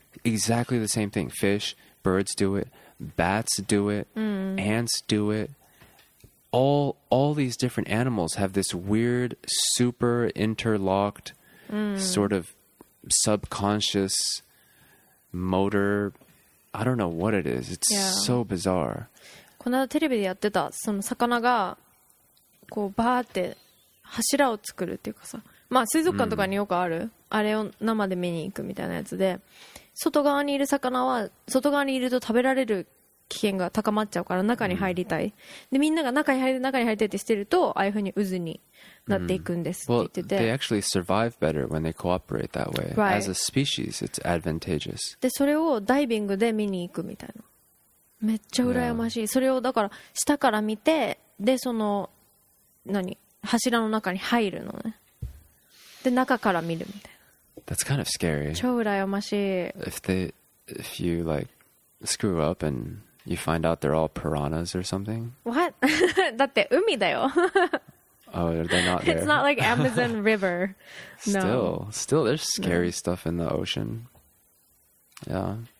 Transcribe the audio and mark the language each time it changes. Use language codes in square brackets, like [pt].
[en] Exactly the same thing. Fish, birds do it. Bats do it. Ants do it. All these different animals have this weird, super interlocked sort of subconscious motor. I don't know what it is. It's so bizarre. [ja] この間テレビでやってたその魚がこうバーって柱を作るっていうかさ、まあ水族館とかによくあるあれを生で見に行くみたいなやつで、外側にいる魚は外側にいると食べられる危険が高まっちゃうから中に入りたい、でみんなが中に入りたいってしてるとああいう風に渦になっていくんですって言ってて、 [en] Well, they actually survive better when they cooperate that way. Right. As a species, it's advantageous. [ja] でそれをダイビングで見に行くみたいな。めっちゃ羨ましい。それをだから下から見て、でその何柱の中に入るのね。で中から見るみたいな。 [en] That's kind of scary. [ja] 超羨ましい。 [en] If you like screw up and you find out they're all piranhas or something. What? [ja] だって海だよ。 [en] Oh, they're not there. It's not like Amazon River. No. Still, there's scary stuff in the ocean. Yeah.